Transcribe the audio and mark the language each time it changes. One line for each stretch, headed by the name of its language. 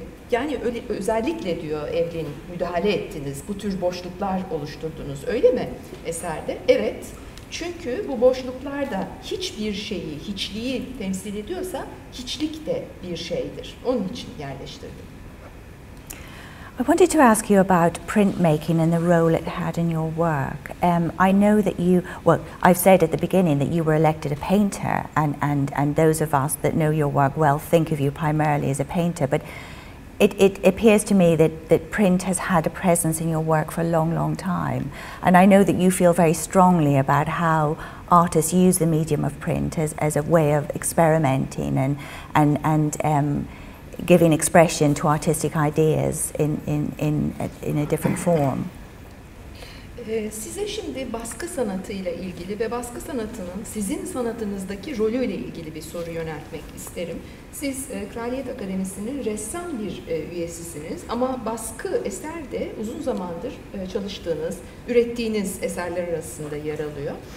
Turkish: Yani öyle, özellikle diyor Evren, müdahale ettiniz, bu tür boşluklar oluşturdunuz öyle mi eserde? Evet. Çünkü bu boşluklarda hiçbir şeyi, hiçliği temsil ediyorsa, hiçlik de bir şeydir. Onun için yerleştirdim.
English: I wanted to ask you about printmaking and the role it had in your work. I know that you, well, I've said at the beginning that you were elected a painter, and those of us that know your work well think of you primarily as a painter, but it appears to me that print has had a presence in your work for a long, long time. And I know that you feel very strongly about how artists use the medium of print as a way of experimenting and giving expression to artistic ideas in a different form.
Turkish: Size şimdi baskı sanatıyla ilgili ve baskı sanatının sizin sanatınızdaki rolüyle ilgili bir soru yöneltmek isterim. Siz Kraliyet Akademisi'nin ressam bir üyesisiniz ama baskı eser de uzun zamandır çalıştığınız, ürettiğiniz eserler arasında yer alıyor.